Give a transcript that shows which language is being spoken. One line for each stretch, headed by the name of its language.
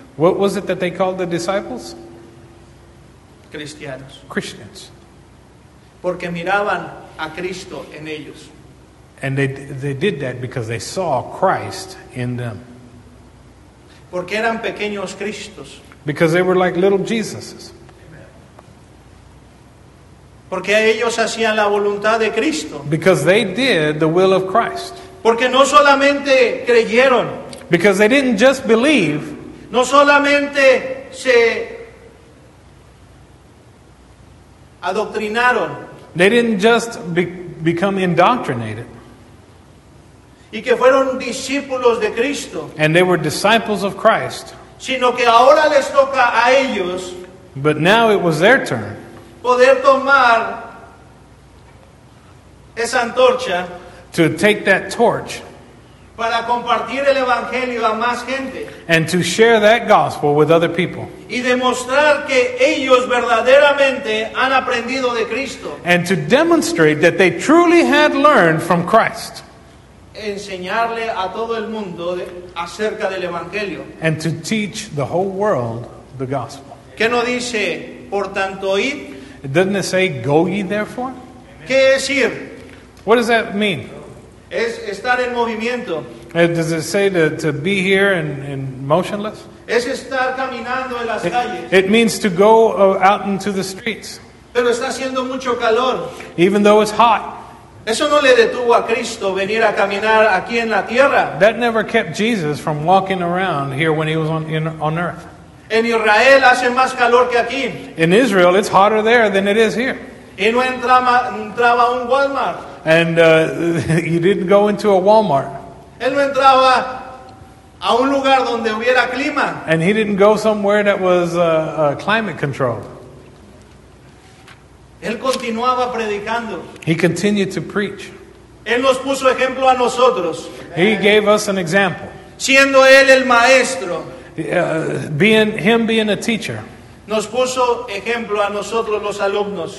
English: What was it that they called the disciples?
Spanish: Cristianos.
English: Christians.
Spanish: Porque miraban a Cristo en ellos.
English: And they did that because they saw Christ in them.
Spanish: Porque eran pequeños Cristos.
English: Because they were like little Jesuses.
Spanish: Porque ellos hacían la voluntad de Cristo.
English: Because they did the will of Christ.
Spanish: Porque no solamente creyeron.
English: Because they didn't just believe.
Spanish: No solamente se adoctrinaron.
English: They didn't just become indoctrinated.
Spanish: Y que fueron discípulos de Cristo.
English: And they were disciples of Christ.
Spanish: Sino que ahora les toca a ellos.
English: But now it was their turn.
Spanish: Poder tomar esa antorcha.
English: To take that torch.
Spanish: Para compartir el evangelio a más gente.
English: And to share that gospel with other people.
Spanish: Y demostrar que ellos verdaderamente han aprendido de Cristo.
English: And to demonstrate that they truly had learned from Christ.
Spanish: Enseñarle a todo el mundo acerca del evangelio.
English: And to teach the whole world the gospel.
Spanish: ¿Qué no dice, por tanto, id?
English: Doesn't it say, go ye therefore?
Spanish: ¿Qué es ir?
English: What does that mean?
Spanish: Es estar en movimiento.
English: Does it say to be here and motionless?
Spanish: Es estar caminando en las calles.
English: It means to go out into the streets.
Spanish: Pero está haciendo mucho calor.
English: Even though it's hot.
Spanish: Eso no le detuvo a Cristo venir a caminar aquí en la tierra.
English: That never kept Jesus from walking around here when he was on earth.
Spanish: En Israel hace más calor que aquí.
English: In Israel, it's hotter there than it is here.
Spanish: Y no entraba un Walmart.
English: And you didn't go into a Walmart.
Spanish: Él no entraba a un lugar donde hubiera clima.
English: And he didn't go somewhere that was climate controlled.
Spanish: Él continuaba predicando.
English: He continued to preach.
Spanish: Él nos puso ejemplo a nosotros.
English: He gave us an example.
Spanish: Siendo él el maestro.
English: Being a teacher.
Spanish: Nos puso ejemplo a nosotros los alumnos.